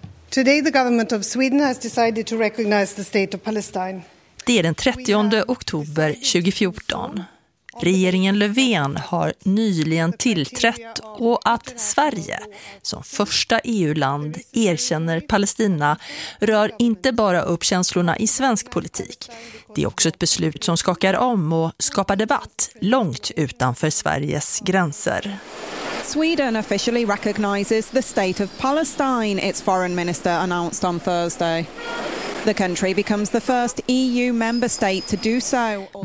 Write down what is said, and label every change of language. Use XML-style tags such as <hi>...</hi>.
<en>Today, the government of Sweden has decided to recognize the state of Palestine.</en> <sv>Det är den 30 oktober 2014. Regeringen Löfven har nyligen tillträtt och att Sverige som första EU-land erkänner Palestina rör inte bara upp känslorna i svensk politik. Det är också ett beslut som skakar om och skapar debatt långt utanför Sveriges gränser.</sv> <en>Sweden officially recognizes the state of Palestine, its foreign minister announced on Thursday. The country becomes the first EU member state to do so.</en>